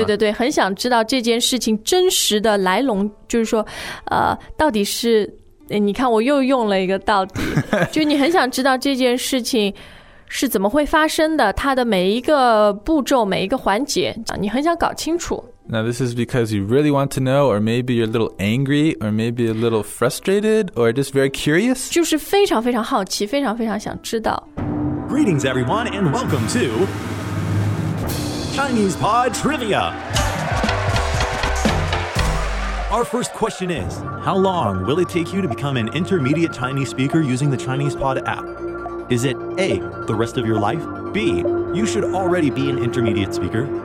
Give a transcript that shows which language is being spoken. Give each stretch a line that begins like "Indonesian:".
Chinese: 对对对，很想知道这件事情真实的来龙，就是说到底是，你看我又用了一个到底，就你很想知道这件事情是怎么会发生的，它的每一个步骤每一个环节你很想搞清楚。
English: Now this is because you really want to know, or maybe you're a little angry, or maybe a little frustrated, or just very curious.
Chinese: 就是非常非常好奇，非常非常想知道。
English: Greetings, everyone, and welcome to Chinese Pod Trivia. Our first question is, how long will it take you to become an intermediate Chinese speaker using the Chinese Pod app? Is it A, the rest of your life? B, you should already be an intermediate speaker?